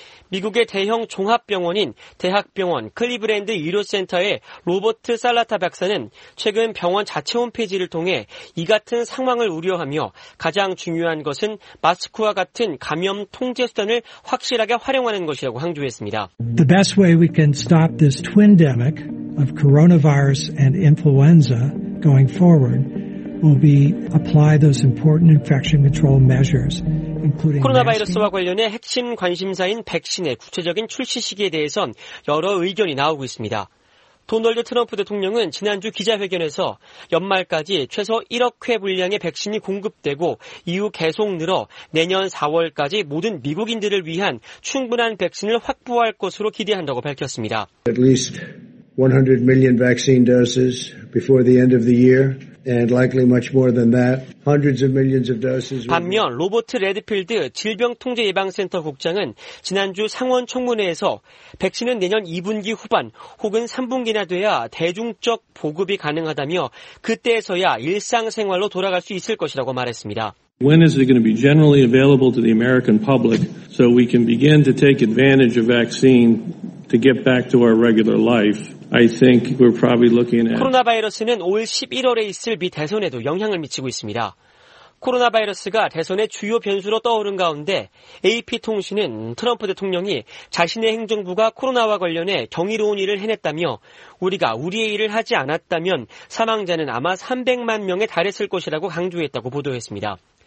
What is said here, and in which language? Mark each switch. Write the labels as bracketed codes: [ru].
[ko] 미국의 대형 종합병원인 대학병원 클리브랜드 의료센터의 로버트 살라타 박사는 최근 병원 자체 홈페이지를 통해 이 같은 상황을 우려하며 가장 중요한 것은 마스크와 같은 감염 통제 수단을 확실하게 활용하는 것이라고 강조했습니다. [en] The best way we can stop this twindemic of coronavirus and influenza going forward will be apply those important infection control measures. [ko] 코로나 바이러스와 관련해 핵심 관심사인 백신의 구체적인 출시 시기에 대해선 여러 의견이 나오고 있습니다. 도널드 트럼프 대통령은 지난주 기자회견에서 연말까지 최소 1억 회 분량의 백신이 공급되고 이후 계속 늘어 내년 4월까지 모든 미국인들을 위한 충분한 백신을 확보할 것으로 기대한다고 밝혔습니다. [en] At least 100 million vaccine doses before the end of the year. And likely much more than that. Hundreds of millions of doses. [ko] 반면 로버트 레드필드 질병통제예방센터 국장은 지난주 상원 청문회에서 백신은 내년 2분기 후반 혹은 3분기나 돼야 대중적 보급이 가능하다며 그때에서야 일상생활로 돌아갈 수 있을 것이라고 말했습니다. [en] When is it going to be generally available to the American public so we can begin to take advantage of vaccine to get back to our regular life? I think we're probably looking at [ko] 코로나 바이러스는 올 11월에 있을 미 대선에도 영향을 미치고 있습니다. 코로나 바이러스가 대선의 주요 변수로 떠오른 가운데 AP통신은 트럼프 대통령이 자신의 행정부가 코로나와 관련해 경이로운 일을 해냈다며 우리가 우리의 일을 하지 않았다면 사망자는 아마 300만 명에 달했을 것이라고 강조했다고 보도했습니다.